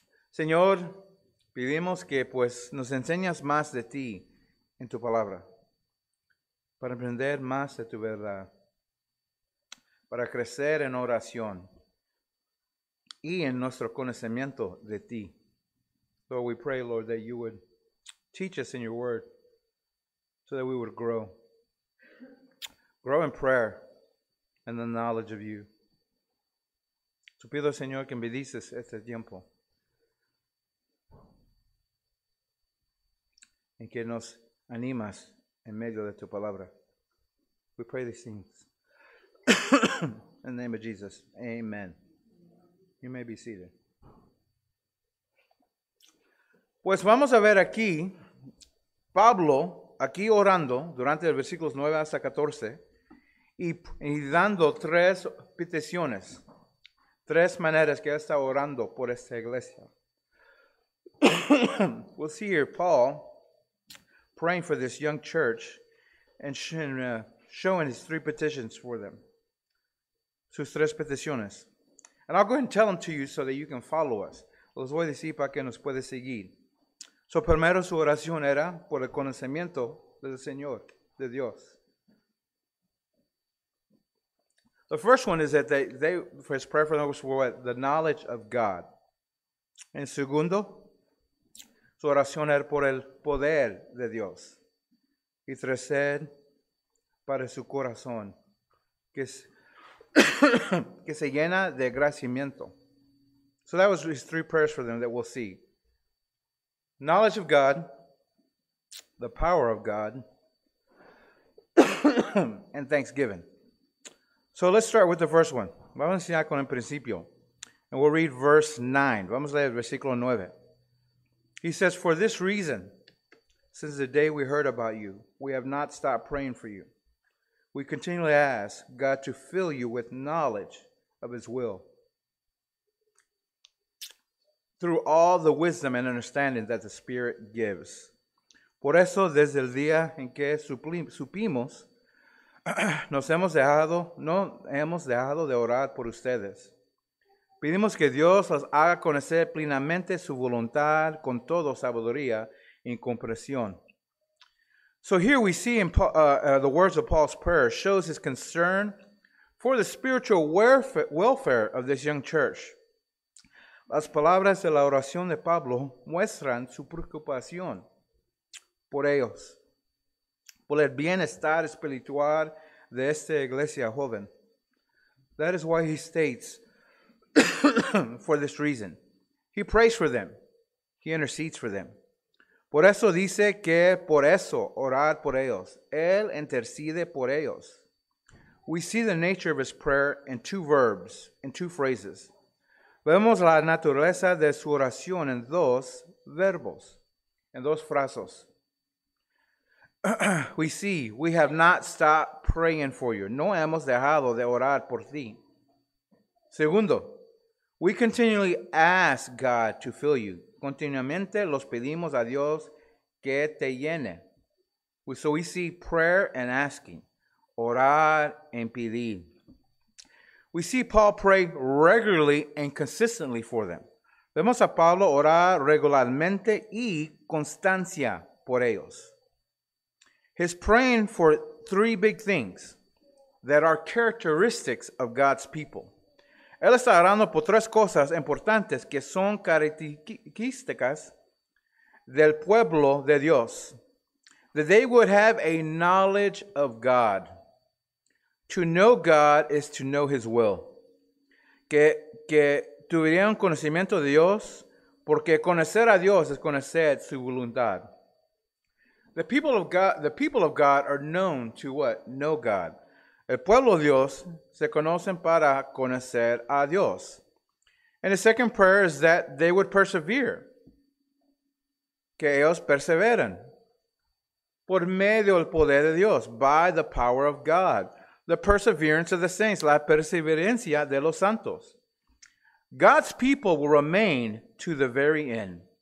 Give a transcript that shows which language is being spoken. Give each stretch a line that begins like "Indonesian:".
Spanish: Señor, pedimos que pues nos enseñes más de ti en tu palabra, para aprender más de tu verdad, para crecer en oración y en nuestro conocimiento de ti.
English: So we pray, Lord, that you would teach us in your word so that we would grow. Grow in prayer and the knowledge of you.
Spanish: Te pido, Señor, que bendices este tiempo. Y que nos animas en medio de tu palabra.
English: We pray these things. In the name of Jesus, amen. You may be seated.
Spanish: Pues vamos a ver aquí, Pablo, aquí orando durante el versículos 9 hasta 14, y dando tres peticiones, tres maneras que está orando por esta iglesia.
English: We'll see here Paul praying for this young church and showing his three petitions for them.
Spanish: Sus tres peticiones.
English: And I'll go ahead and tell them to you so that you can follow us.
Spanish: Los voy a decir para que nos puedes seguir. So primero su oración era por el conocimiento del Señor, de Dios.
English: The first one is that they for his prayer for them was for the knowledge of God.
Spanish: En segundo, su oración era por el poder de Dios. Y tercer, para su corazón, que es que se llena de agradecimiento.
English: So that was his three prayers for them that we'll see. Knowledge of God, the power of God, and thanksgiving. So let's start with the first one.
Spanish: Vamos a enseñar con el principio.
English: And we'll read verse 9.
Spanish: Vamos a leer el versículo 9.
English: He says, for this reason, since the day we heard about you, we have not stopped praying for you. We continually ask God to fill you with knowledge of his will through all the wisdom and understanding that the Spirit gives.
Spanish: Por eso, desde el día en que supimos, no hemos dejado de orar por ustedes. Pedimos que Dios los haga conocer plenamente su voluntad con toda sabiduría y comprensión.
English: So here we see in the words of Paul's prayer shows his concern for the spiritual welfare of this young church.
Spanish: Las palabras de la oración de Pablo muestran su preocupación por ellos, por el bienestar espiritual de esta iglesia joven.
English: That is why he states, for this reason, he prays for them, he intercedes for them.
Spanish: Por eso dice que por eso orar por ellos, él intercede por ellos.
English: We see the nature of his prayer in two verbs, in two phrases.
Spanish: Vemos la naturaleza de su oración en dos verbos, en dos frases.
English: We see, we have not stopped praying for you.
Spanish: No hemos dejado de orar por ti.
English: Segundo, we continually ask God to fill you.
Spanish: Continuamente los pedimos a Dios que te llene.
English: So we see prayer and asking.
Spanish: Orar en pedir.
English: We see Paul pray regularly and consistently for them.
Spanish: Vemos a Pablo orar regularmente y constancia por ellos.
English: He's praying for three big things that are characteristics of God's people.
Spanish: Él está orando por tres cosas importantes que son características del pueblo de Dios.
English: That they would have a knowledge of God. To know God is to know his will.
Spanish: Que tuvieran conocimiento de Dios, porque conocer a Dios es conocer su voluntad.
English: The people of God are known to what? Know God.
Spanish: El pueblo de Dios se conocen para conocer a Dios.
English: And the second prayer is that they would persevere.
Spanish: Que ellos perseveren. Por medio del poder de Dios.
English: By the power of God. The perseverance of the saints.
Spanish: La perseverancia de los santos.
English: God's people will remain to the very end.